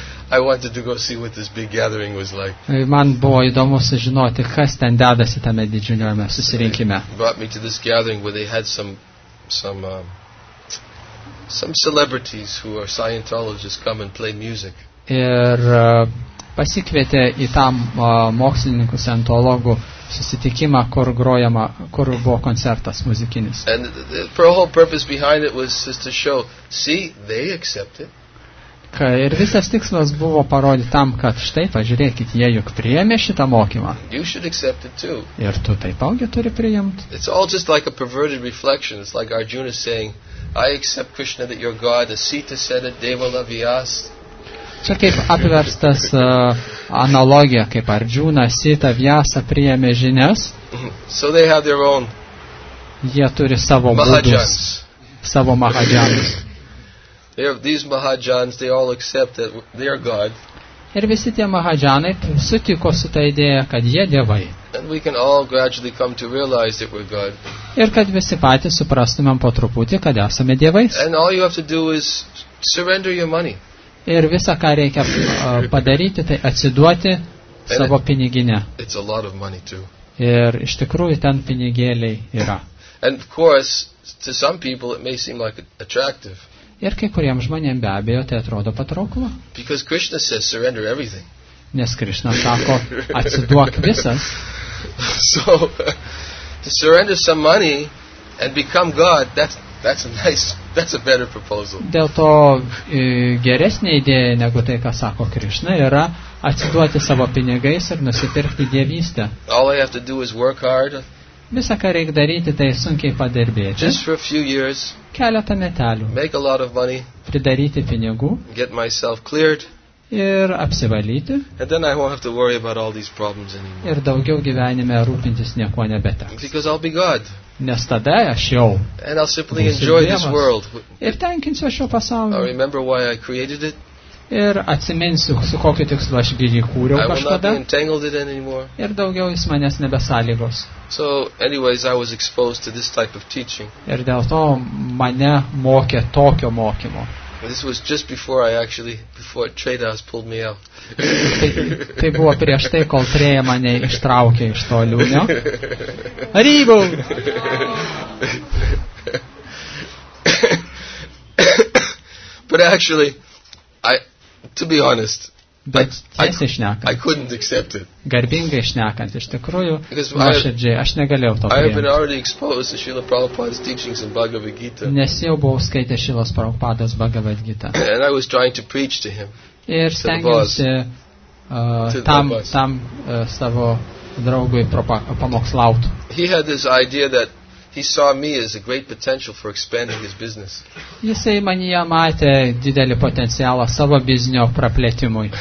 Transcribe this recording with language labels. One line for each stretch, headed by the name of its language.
English: I wanted to go see what this big gathering was like.
Lithuanian: Man buvo įdomu sužinoti, kas ten dedasi tame didžiuliame susirinkime.
English: They brought me to this gathering where they had some celebrities who are Scientologists come and play music.
Lithuanian: Ir pasikvietė į tam mokslininkų scientologų susitikimą, kur grojama, kur buvo koncertas muzikinis.
English: And the whole purpose behind it was just to show, see, they accept it.
Lithuanian: Ir visas tikslas buvo parodyti tam, kad štai, pažiūrėkit, jie juk priėmė šitą mokymą.
English: You should accept it too.
Lithuanian: Ir tu taipogi turi priimti.
English: It's all just like a perverted reflection. It's like Arjuna saying, I accept Krishna that you're God, Asita said it, Devala Vyas.
Lithuanian: Čia kaip apverstas analogija, kaip Arjuna, Sita, Vyasa priėmė žinias.
English: So they have their own.
Lithuanian: Jie turi savo mahajans. Savo mahajans.
English: They have these mahajans, they all accept that they are God.
Lithuanian: Ir visi tie mahajanai sutiko su ta idėja, kad jie dievai.
English: And we can all gradually come to realize that we're God.
Lithuanian: Ir kad visi patys suprastumėm po truputį, kad esame dievais.
English: And all you have to do is surrender your money.
Lithuanian: Ir visą, ką reikia padaryti, tai atsiduoti savo piniginę. Ir iš tikrųjų ten pinigėliai yra.
English: And of course, to some people it may seem like attractive.
Lithuanian: Ir kai kuriems žmonėms be abejo tai atrodo patrauklu.
English: Because Krishna says surrender everything.
Lithuanian: Nes Krishna sako, atsiduok visas.
English: So, to surrender some money and become God, that's a better proposal.
Lithuanian: Dėl to geresnė idėja negu tai, ką sako Krishna, yra atsiduoti savo pinigais ir nusipirkti dievystę.
English: All I have to do is work hard.
Lithuanian: Visą, ką reikia daryti, tai sunkiai padirbėti.
English: Just for a few years.
Lithuanian: Keletą metelių.
English: Make a lot of money.
Lithuanian: Pridaryti pinigų.
English: Get myself cleared.
Lithuanian: Ir apsivalyti.
English: And then I won't have to worry about all these problems anymore.
Lithuanian: Ir daugiau gyvenime rūpintis niekuo nebeteks.
English: Because I'll be God.
Lithuanian: Nes tada aš jau.
English: And I'll simply enjoy this world.
Lithuanian: Ir tenkinsiu šio pasaulio.
English: I remember why I created it.
Lithuanian: Ir atsiminsiu, su kokiu tikslu aš jį kūriau kažkada.
English: I will not be entangled it anymore.
Lithuanian: Ir daugiau jis manęs nebesąlygos.
English: So anyways, I was exposed to this type of teaching.
Lithuanian: Ir dėl to mane mokė tokio mokymo.
English: This was just before I actually before Trade House pulled me out.
Lithuanian: Tai buvo prieš tai, kol Trade mane ištraukė iš to liūno. Arrivo.
English: But actually, to be honest,
Lithuanian: bet tiesiai šnekant,
English: I couldn't accept it.
Lithuanian: Garbingai šnekant, iš tikrųjų, nuoširdžiai, aš negalėjau to priimti. Nes jau buvau skaitęs Šrilos Prabhupados Bhagavad Gita.
English: And I was trying to preach to him,
Lithuanian: ir stengiausi savo draugui pamokslaut.
English: He had this idea that he saw me as a great potential for expanding his business.
Lithuanian: Jisai manyje matė didelį potencialą savo biznio praplėtimui.